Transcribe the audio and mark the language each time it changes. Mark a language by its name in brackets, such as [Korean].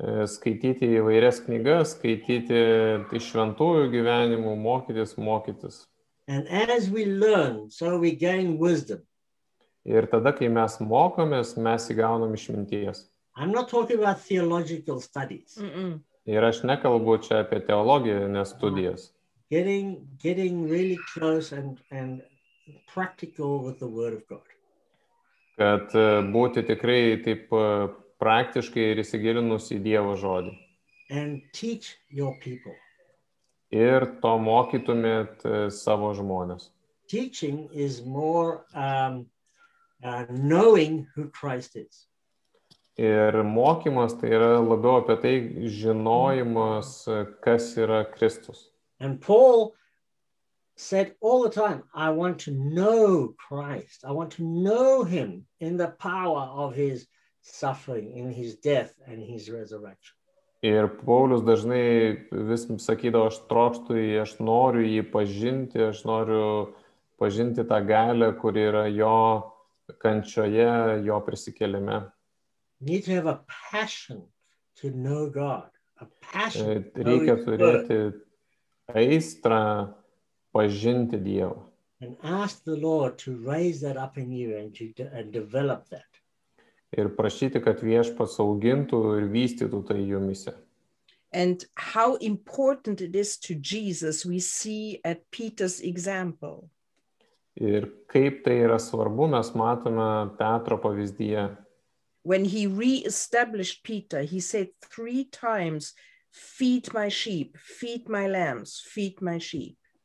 [Lithuanian] Skaityti įvairias knygas, skaityti iš šventųjų gyvenimų, mokytis. [English] And as we learn, so we gain wisdom. [Lithuanian] Ir tada, kai mes mokomės, mes įgaunam išminties. [English] I'm not talking about theological studies. [Lithuanian] Ir aš nekalbu čia apie teologiją, ne studijas. [English] Getting really close and practical with the word of God. [Lithuanian] Kad būti tikrai taip praktiškai ir įsigilinus į Dievo žodį. [English] And teach your people. [Lithuanian] Ir to mokytumėt savo žmonės. [English] Teaching is more knowing who Christ is. [Lithuanian] Ir mokymas tai yra labiau apie tai žinojimas, kas yra Kristus. [English] And Paul said all the time, I want to know Christ. I want to know him in the power of his suffering, in his death and his resurrection. [Lithuanian] Ir Paulius dažnai vis sakydavo, aš trokštu jį, aš noriu jį pažinti, aš noriu pažinti tą galę, kur yra jo kančioje, jo prisikėlime. [English] Need to have a passion to know God. A passion. [Lithuanian] Reikia turėti aistrą pažinti Dievą. [English] And ask the Lord to raise that up in you and develop that. [Lithuanian] Ir prašyti, kad Viešpats augintų ir vystytų tai jumyse. [English] And how important it is to Jesus we see at Peter's example. [Lithuanian] Ir kaip tai yra svarbu, mes matome Petro pavyzdyje. [English] When he re-established Peter, he said 3 times, feed my sheep, feed my lambs, feed my sheep.